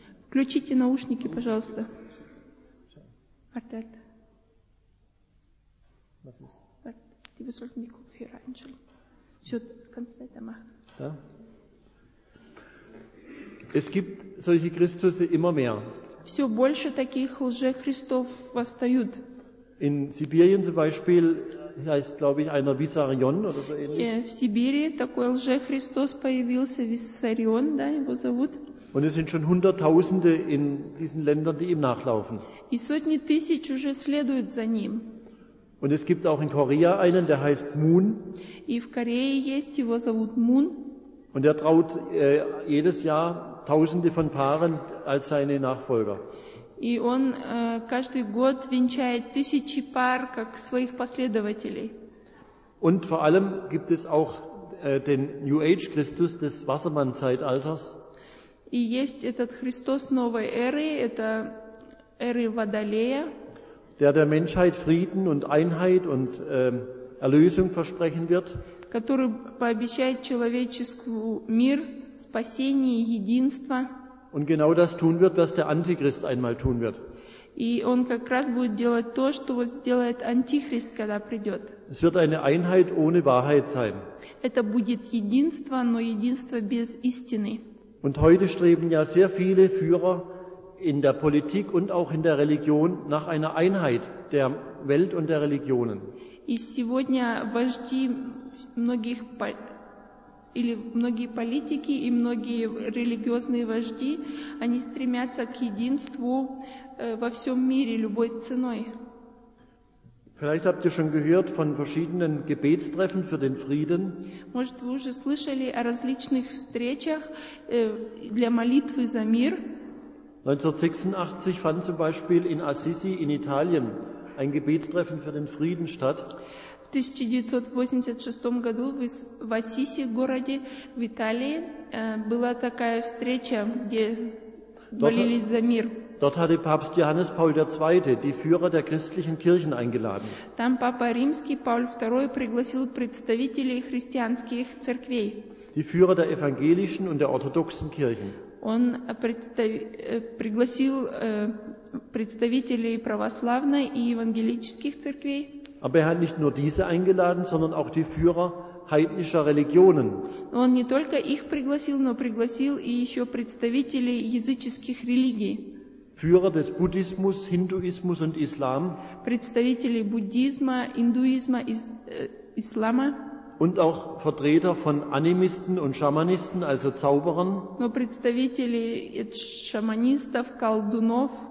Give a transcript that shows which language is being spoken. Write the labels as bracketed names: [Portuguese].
[Russian] Включите наушники, пожалуйста. Артета. [German] Was ist? Die sollten die Kopfhörer einschalten. Kannst du weitermachen? Ja. Es gibt solche Christusse immer mehr. [Russian] Все больше таких лжехристов восстают. [German] In Sibirien zum Beispiel heißt, glaube ich, einer Vissarion oder so ähnlich. [Russian] Ja, в Сибири такой лжехристос появился, Виссарион, да, его зовут. [German] Und es sind schon Hunderttausende in diesen Ländern, die ihm nachlaufen. [Russian] И сотни тысяч уже следуют за ним. [German] Und es gibt auch in Korea einen, der heißt Moon. [Russian] И в Корее есть, его зовут Moon. [German] Und er traut jedes Jahr Tausende von Paaren als seine Nachfolger. [Russian] И он каждый год венчает тысячи пар как своих последователей. [German] Und vor allem gibt es auch den New Age Christus des Wassermann-Zeitalters. [Russian] И есть этот Христос новой эры, это эры Водолея. [German] Der Menschheit Frieden und Einheit und Erlösung versprechen wird. [Russian] Который пообещает человечеству мир, спасение, единство. [German] Und genau das tun wird, was der Antichrist einmal tun wird. [Russian] И он как раз будет делать то, что сделает Антихрист, когда придет. [German] Es wird eine Einheit ohne Wahrheit sein. [Russian] Это будет единство, но единство без истины. [German] Und heute streben ja sehr viele Führer in der Politik und auch in der Religion nach einer Einheit der Welt und der Religionen. [Russian] И сегодня вожди многих или многие политики и многие религиозные вожди, они стремятся к единству во всем мире любой ценой. [German] Vielleicht habt ihr schon gehört von verschiedenen Gebetstreffen für den Frieden. [Russian] Может, вы уже слышали о различных встречах для молитвы за мир? [German] 1986 fand zum Beispiel in Assisi in Italien ein Gebetstreffen für den Frieden statt. [Russian] В 1986 году в Ассиси, городе в Италии, была такая встреча, где молились за мир. [German] Dort hatte Papst Johannes Paul II. Die Führer der christlichen Kirchen eingeladen. [Russian] Там папа римский Paul II пригласил представителей христианских церквей. [German] Die Führer der evangelischen und der orthodoxen Kirchen. [Russian] Он пригласил представителей православной и евангелических церквей. [German] Aber er hat nicht nur diese eingeladen, sondern auch die Führer heidnischer Religionen. [Russian] Он не только их пригласил, но пригласил и еще представителей языческих религий. [German] Führer des Buddhismus, Hinduismus und Islam. [Russian] Представители буддизма, индуизма, ислама. [German] Und auch Vertreter von Animisten und Schamanisten, also Zauberern. [Russian] Но представители шаманистов, колдунов.